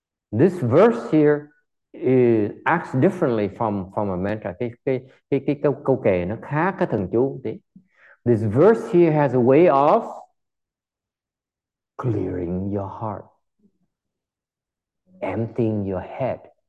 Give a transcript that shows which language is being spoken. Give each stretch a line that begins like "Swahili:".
English: This verse here is acts differently from a mantra.
Vietnamese: Câu kệ nó khác cái thần chú tí.
English: This verse here has a way of clearing your heart, emptying your head.